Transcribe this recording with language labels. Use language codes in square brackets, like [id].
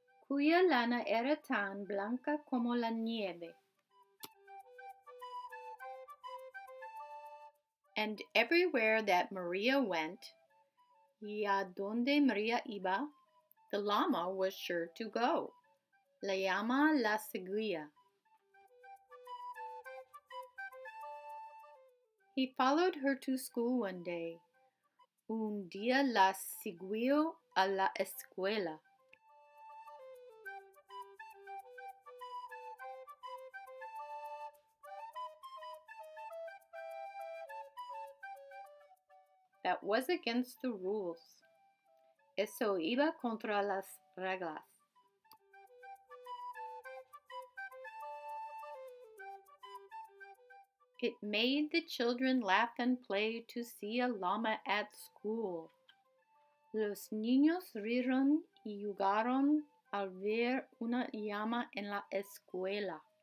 [es] Cuya lana era tan blanca como la nieve. [en] And everywhere that Maria went, [es] y a donde Maria iba, [en] the llama was sure to go. [es] La llama la seguía. [en] He followed her to school one day. [es] Un día la siguió a la escuela. [en] That was against the rules. [es] Eso iba contra las reglas. [en] It made the children laugh and play to see a llama at school. [es] Los niños rieron y jugaron al ver una llama en la escuela.